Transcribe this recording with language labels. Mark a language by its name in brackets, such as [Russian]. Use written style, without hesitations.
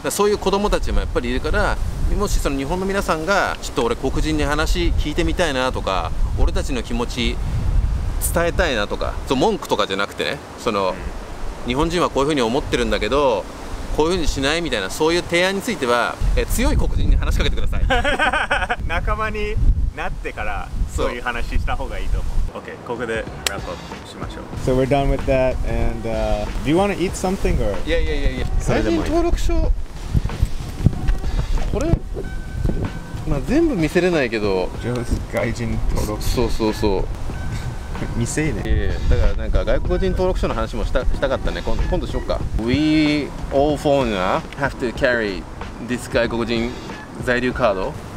[Japanese] そういう子供たちもやっぱりいるから、もしその日本の皆さんがちょっと俺黒人に話聞いてみたいなとか、俺たちの気持ち伝えたいなとか、その文句とかじゃなくてね、その日本人はこういうふうに思ってるんだけど、こういうふうにしないみたいな、そういう提案については、強い黒人に話しかけてください。仲間になってからそういう話した方がいいと思う。 OK、 ここでラップアップしましょう。 [English] So we're done with that and do you want to eat something or? [Japanese] いや最近登録書これ、まあ全部見せれないけど、外人登録、そう未成年、だからなんか外国人登録書の話もしたかったね。今度しよっか。 [English] We all foreigners have to carry this 外国人在留カード。